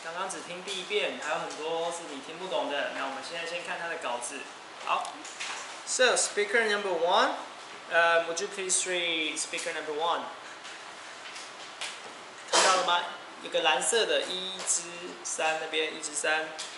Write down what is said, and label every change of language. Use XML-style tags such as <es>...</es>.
<zh>只听第一遍，还有很多是你听不懂的。那我们现在先看他的稿子。</zh> <en>好 ，So speaker number one， would you please read speaker number one？</en> <zh>看到了吗？有个蓝色的，一之三那边，一之三。</zh>